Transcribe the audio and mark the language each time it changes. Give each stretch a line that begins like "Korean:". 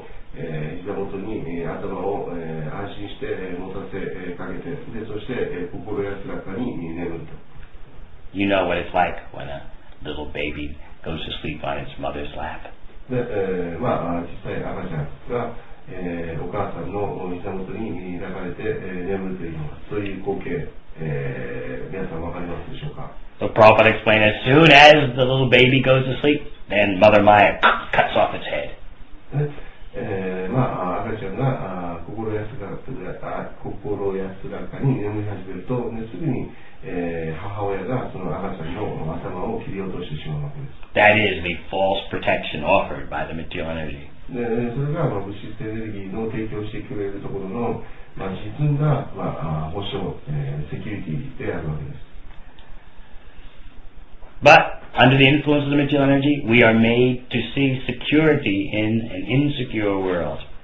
Japanese: 膝元に頭を安心して持たせかけて、でそして心安らかに眠ると。
English: You know what it's like when a little baby goes to sleep on its mother's lap.
Japanese: で、まあ実際赤ちゃんが、お母さんの膝元に抱かれて眠るというそういう光景、皆さんわかりますでしょうか。
English: The prophet explained as soon as the little baby goes to sleep, then Mother Maya cuts off its head.
Japanese: まあ、赤ちゃんが心安らかに眠り始めると、ね、すぐに、母親がその赤ちゃんの頭を切り落としてしまうわけです。
English: That is the false protection offered by the material energy.
Japanese: それが、まあ、物質エネルギーの提供してくれるところの、まあ、沈んだ、まあ、保障、セキュリティであるわけです。
English: But under the influence of the material energy, we are made to see security in an insecure world.